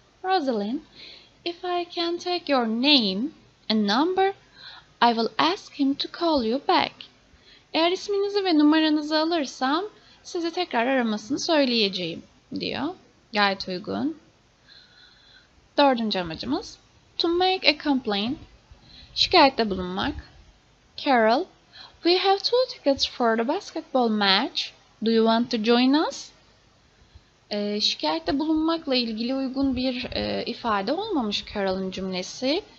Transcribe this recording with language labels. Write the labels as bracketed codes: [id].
[en] Rosalind, if I can take your name and number, I will ask him to call you back. [tr] Eğer isminizi ve numaranızı alırsam sizi tekrar aramasını söyleyeceğim diyor. Gayet uygun. Dördüncü amacımız. [en] To make a complaint. [tr] Şikayette bulunmak. [en] Carol, we have two tickets for the basketball match. Do you want to join us? [tr] Şikayette bulunmakla ilgili uygun bir ifade olmamış Carol'ın cümlesi.